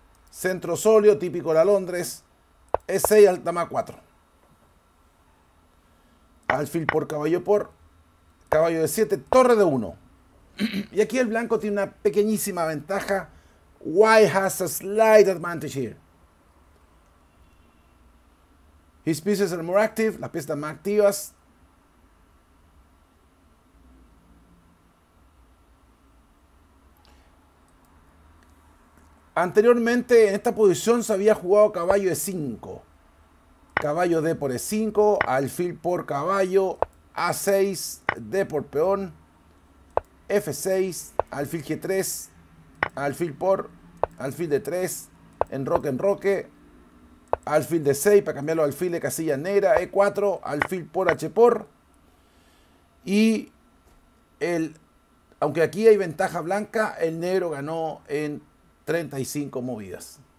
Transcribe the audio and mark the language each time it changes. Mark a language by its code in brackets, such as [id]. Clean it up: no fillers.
[es] Centro sólido, típico la Londres. E6, dama 4. Alfil por caballo por. Caballo de 7, torre de 1. Y aquí el blanco tiene una pequeñísima ventaja. [en] White has a slight advantage here. His pieces are more active. [es] Las piezas están más activas. Anteriormente en esta posición se había jugado caballo de 5. Caballo D por E5, alfil por caballo, A6, D por peón, F6, alfil G3, alfil por, alfil de 3, enroque, enroque, alfil de 6 para cambiarlo al alfil de casilla negra, E4, alfil por, H por, y el, aunque aquí hay ventaja blanca, el negro ganó en 35 movidas.